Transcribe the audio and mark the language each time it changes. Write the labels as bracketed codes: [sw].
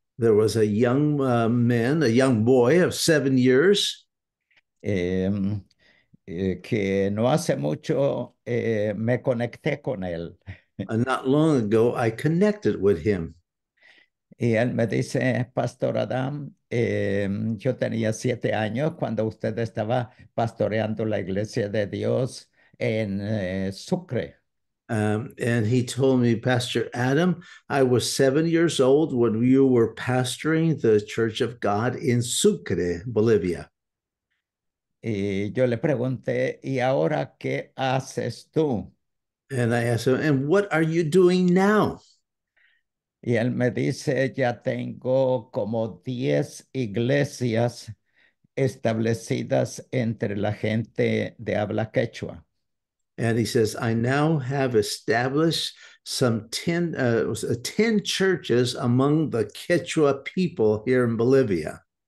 [en] There was a young man, a young boy of 7 years. [es] Que no hace mucho me conecté con él. [en] And not long ago, I connected with him. [es] Y él me dice, Pastor Adam, yo tenía 7 años cuando usted estaba pastoreando la Iglesia de Dios en Sucre. [en] And he told me, Pastor Adam, I was 7 years old when you were pastoring the Church of God in Sucre, Bolivia. [es] Y yo le pregunté, ¿y ahora qué haces tú? [en] And I asked him, and what are you doing now? [es] Y él me dice, ya tengo como 10 iglesias establecidas entre la gente de habla quechua. [en] And he says, I now have established some 10 churches among the Quechua people here in Bolivia.